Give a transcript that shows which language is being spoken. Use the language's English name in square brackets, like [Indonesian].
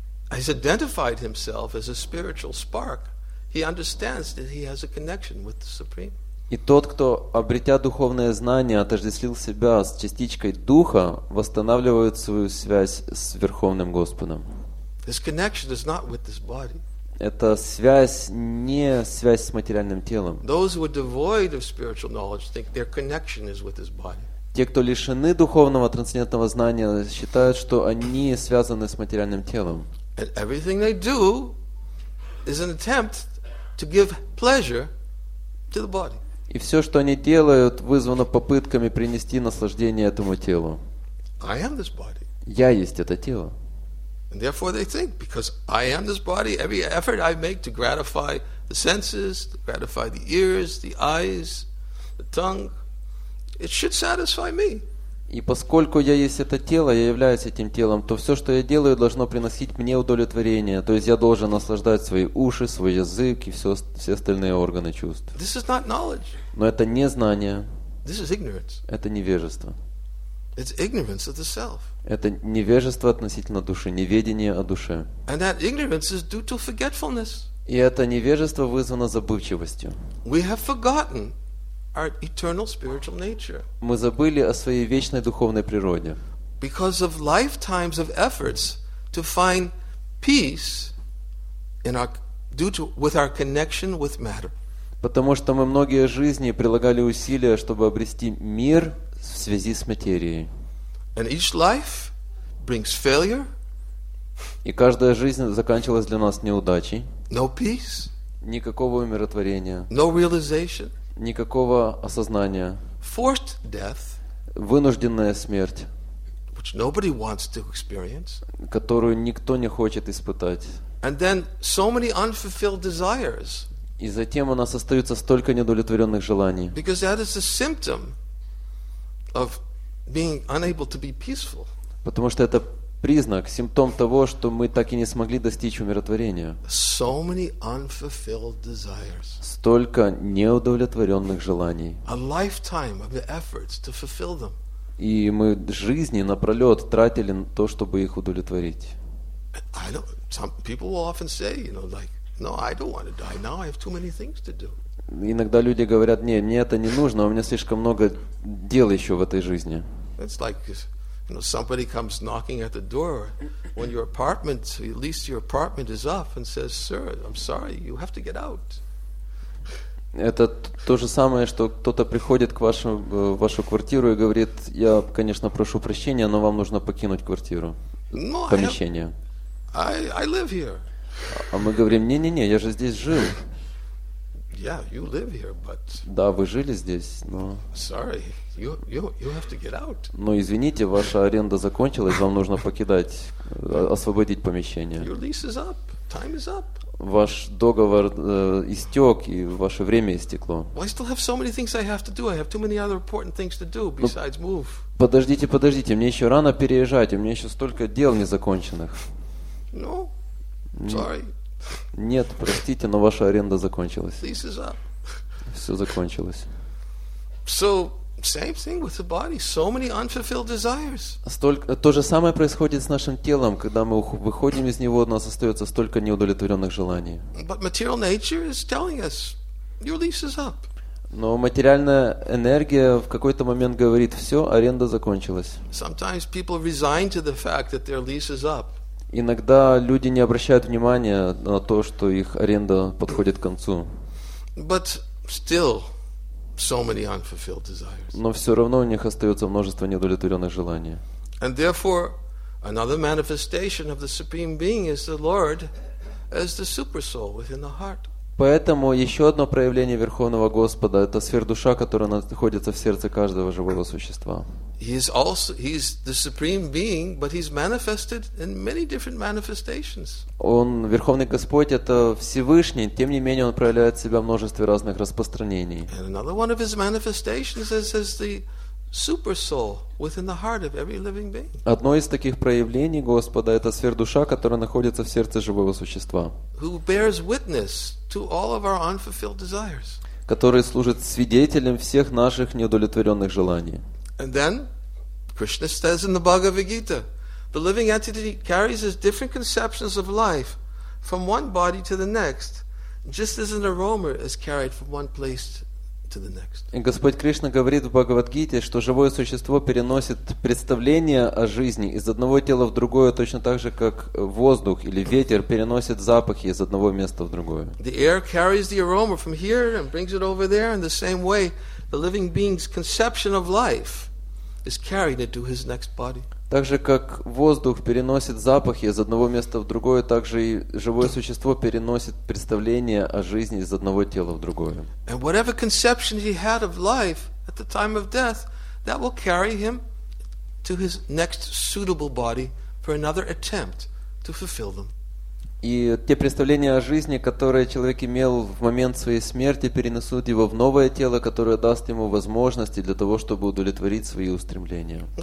[English] has identified himself as a spiritual spark, he understands that he has a connection with the Supreme. [Russian] И тот, кто, обретя духовное знание, отождествил себя с частичкой Духа, восстанавливает свою связь с Верховным Господом. [English] This connection is not with this body. [Russian] Эта связь не связь с материальным телом. [English] Those who are devoid of spiritual knowledge think their connection is with this body. [Russian] Те, кто лишены духовного трансцендентного знания, считают, что они связаны с материальным телом. [English] And everything they do is an attempt to give pleasure to the body. [Russian] И все, что они делают, вызвано попытками принести наслаждение этому телу. [English] I am this body. [Russian] Я есть это тело. [English] And therefore they think, because I am this body, every effort I make to gratify the senses, to gratify the ears, the eyes, the tongue, it should satisfy me. [Russian] И поскольку я есть это тело, я являюсь этим телом, то все, что я делаю, должно приносить мне удовлетворение. То есть я должен наслаждать свои уши, свой язык и все остальные органы чувств. [English] This is not knowledge. [Russian] Но это не знание. [English] This is ignorance. [Russian] Это невежество. [English] It's ignorance of the self. [Russian] Это невежество относительно души, неведение о душе. [English] And that ignorance is due to forgetfulness. [Russian] И это невежество вызвано забывчивостью. [English] We have forgotten our eternal spiritual nature. [Russian] Мы забыли о своей вечной духовной природе. [English] Because of lifetimes of efforts to find peace in our due to with our connection with matter. [Russian] Потому что мы многие жизни прилагали усилия, чтобы обрести мир в связи с материей. [English] And each life brings failure. [Russian] И каждая жизнь заканчивалась для нас неудачей. [English] No peace. [Russian] Никакого умиротворения. [English] No realization. [Russian] Никакого осознания. [English] Forced death. [Russian] Вынужденная смерть. [English] Which nobody wants to experience. [Russian] Которую никто не хочет испытать. [English] And then so many unfulfilled desires. [Russian] И затем у нас остается столько неудовлетворенных желаний. [English] Because that is a symptom of being unable to be peaceful. [Russian] Потому что это признак, симптом того, что мы так и не смогли достичь умиротворения. [English] So many unfulfilled desires. [Russian] Столько неудовлетворенных желаний. [English] A lifetime of efforts to fulfill them. [Russian] И мы жизни напролет тратили на то, чтобы их удовлетворить. [English] I don't, some people will often say, you know, like, no, I don't want to die now, I have too many things to do. [Russian] Иногда люди говорят, не, мне это не нужно, у меня слишком много дел еще в этой жизни. [English] It's like, you know, somebody comes knocking at the door when your apartment, at least your apartment is up and says, sir, I'm sorry, you have to get out. [Russian] Это то же самое, что кто-то приходит к вашу квартиру и говорит, я, конечно, прошу прощения, но вам нужно покинуть квартиру, помещение. [English] No, I live here. [Russian] А мы говорим, не-не-не, я же здесь жил. [English] Yeah, you live here, but. [Russian] Да, вы жили здесь, но. [English] Sorry, you have to get out. [Russian] Но извините, ваша аренда закончилась, вам нужно покидать, освободить помещение. [English] Your lease is up. Time is up. [Russian] Ваш договор истек и ваше время истекло. [English] Well, I still have so many things I have to do. I have too many other important things to do besides move. [Russian] Подождите, мне еще рано переезжать, у меня еще столько дел незаконченных. [English] No, sorry. [Russian] Нет, простите, но ваша аренда закончилась. [English] This is up. [Russian] Все закончилось. [English] So, same thing with the body. So many unfulfilled desires. [Russian] То же самое происходит с нашим телом, когда мы выходим из него, у нас остается столько неудовлетворенных желаний. [English] But material nature is telling us, your lease is up. [Russian] Но материальная энергия в какой-то момент говорит, все, аренда закончилась. [English] Sometimes people resign to the fact that their lease is up. [Russian] Иногда люди не обращают внимания на то, что их аренда подходит к концу. [English] But still, so many unfulfilled desires. [Russian] Но все равно у них остается множество неудовлетворенных желаний. [English] And therefore, another manifestation of the Supreme Being is the Lord as the Supersoul within the heart. [Russian] Поэтому еще одно проявление Верховного Господа – это сверхдуша, которая находится в сердце каждого живого существа. [English] He's the supreme being, but he's manifested in many different manifestations. [Russian] Он Верховный Господь – это Всевышний, тем не менее он проявляет себя в множестве разных распространений. [English] And another one of his manifestations is as the Supersoul within the heart of every living being. [Russian] Одно из таких проявлений Господа – это сверхдуша, которая находится в сердце живого существа. [English] Who bears witness to all of our unfulfilled desires. [Russian] Который служит свидетелем всех наших неудовлетворенных желаний. [English] And then, Krishna says in the Bhagavad Gita, The living entity carries its different conceptions of life from one body to the next, just as an aroma is carried from one place to the next. [Russian] И Господь Кришна говорит в Бхагавад-гите, что живое существо переносит представление о жизни из одного тела в другое, точно так же, как воздух или ветер переносит запахи из одного места в другое. [English] The air carries the aroma from here and brings it over there, in the same way, the living being's conception of life is carried into his next body. [Russian] Так же, как воздух переносит запахи из одного места в другое, так же и живое существо переносит представление о жизни из одного тела в другое. [English] And whatever conception he had of life at the time of death, that will carry him to his next suitable body for another attempt to fulfill them. [Russian] И те представления о жизни, которые человек имел в момент своей смерти, перенесут его в новое тело, которое даст ему возможности для того, чтобы удовлетворить свои устремления.